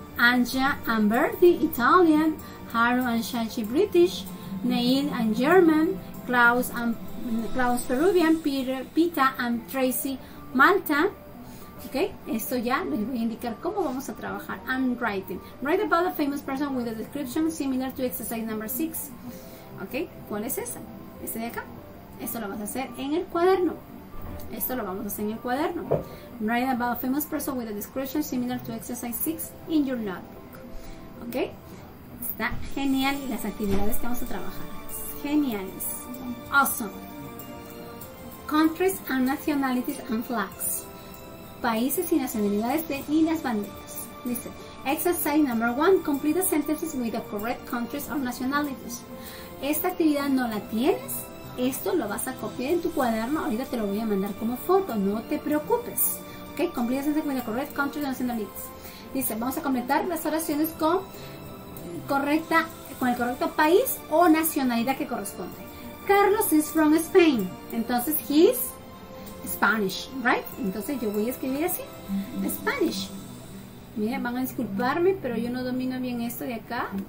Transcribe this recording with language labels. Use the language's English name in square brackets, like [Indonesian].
[English] Anja and Bertie, Italian. Haru and Shanshi, British. Neil and German. Klaus, Peruvian. Pita and Tracy, Malta. [Spanish] Ok, esto ya les voy a indicar cómo vamos a trabajar. [English] I'm writing. Write about a famous person with a description similar to exercise number 6. [Spanish] Ok, ¿cuál es esa? Este de acá. Esto lo vas a hacer en el cuaderno. Esto lo vamos a hacer en el cuaderno. [English] Write about a famous person with a description similar to exercise 6 in your notebook. [Spanish] Ok, está genial las actividades que vamos a trabajar. Geniales. [English] Awesome. Countries and nationalities and flags. [Spanish] Países y nacionalidades y las banderas. [English] Listen. Exercise number 1. Complete sentences with the correct countries or nationalities. [Spanish] Esta actividad no la tienes. Esto lo vas a copiar en tu cuaderno. Ahorita te lo voy a mandar como foto. No te preocupes. Ok. [English] Complete sentences with the correct countries or nationalities. [Spanish] Dice, vamos a completar las oraciones con el correcto país o nacionalidad que corresponde. [English] Carlos is from Spain. Entonces, he's Spanish, right? [Spanish] Entonces yo voy a escribir así, Spanish. Miren, van a disculparme, pero yo no domino bien esto de acá.